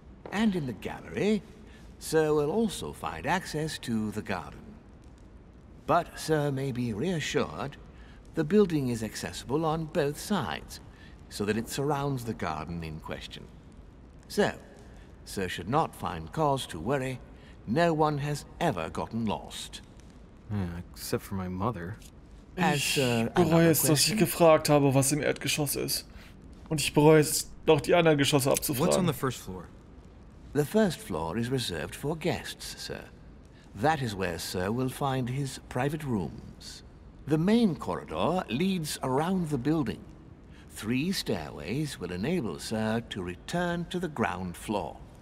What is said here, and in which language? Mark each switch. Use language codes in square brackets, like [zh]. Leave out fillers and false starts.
[en] And in the gallery, sir will also find access to the garden. But sir may be reassured, the building is accessible on both sides, so that it surrounds the garden in question. So, sir should not find cause to worry. No one has ever gotten lost. Except for my mother. [de] Ich bereue es, dass ich gefragt habe, was im Erdgeschoss ist. Und ich bereue es, noch die anderen Geschosse abzufragen. [en] What's on the first floor? The first floor is reserved for guests, sir. That is where sir will find his private rooms. The main corridor leads around the building. 3 stairways will enable sir to return to the ground floor.